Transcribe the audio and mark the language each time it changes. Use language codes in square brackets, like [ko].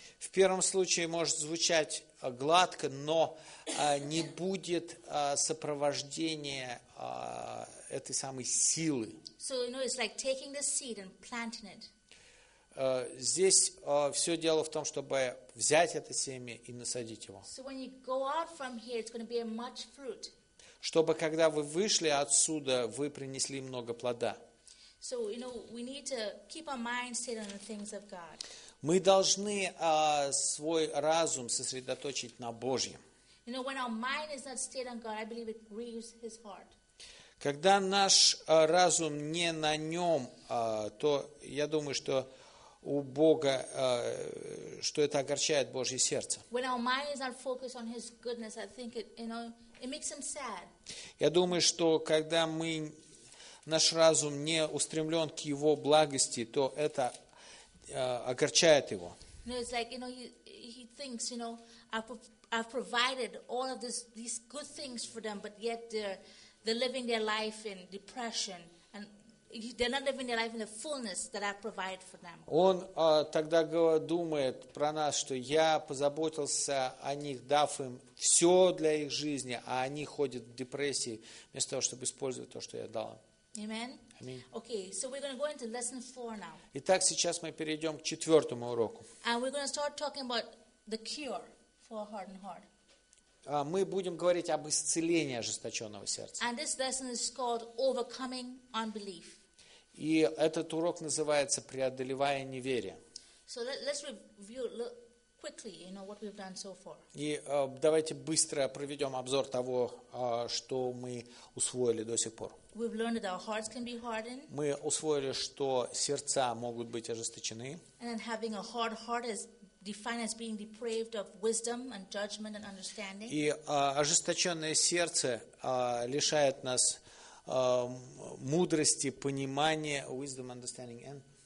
[ru] В первом случае может звучать гладко, но не будет сопровождения этой самой силы. [en] So, you know, it's like taking the seed and planting it. [ru] Здесь все дело в том, чтобы взять это семя и насадить его. [en] So when you go out from here, it's going to be a much fruit. [ru] Чтобы когда вы вышли отсюда, вы принесли много плода. [en] So, you know, we need to keep our mind set on the things of God. [ru] Мы должны свой разум сосредоточить на Божьем. [en] You know, when our mind is not stayed on God, I believe it grieves his heart. [ru] Когда наш разум не на нем, то я думаю, что у Бога, что это огорчает Божье сердце. [en] When our mind is not focused on his goodness, I think it, you know, it makes him sad. [ru] Я думаю, что когда мы, наш разум не устремлен к его благости, то это огорчает его. [en] No, it's like, you know, he thinks, you know, I've provided all of these good things for them, but yet they're living their life in depression, and they're not living their life in the fullness that I provide for them. [ru] Он тогда думает про нас, что я позаботился о них, дав им все для их жизни, а они ходят в депрессии вместо того, чтобы использовать то, что я дал. [en] Amen. Okay, so we're going to go into lesson 4 now. [ru] Итак, сейчас мы перейдем к четвертому уроку. [en] And we're going to start talking about the cure for a hardened heart. [ru] Мы будем говорить об исцелении ожесточенного сердца. [en] And this lesson is called overcoming unbelief. [ru] И этот урок называется преодолевая неверие. [en] So let's review quickly, you know, what we've done so far. [ru] И давайте быстро проведем обзор того, что мы усвоили до сих пор. [en] We've learned that our hearts can be hardened. [ru] Мы усвоили, что сердца могут быть ожесточены. [en] And then having a hard heart is defined as being depraved of wisdom and judgment and understanding. [ru] И ожесточенное сердце лишает нас мудрости, понимания, [en] wisdom, understanding, and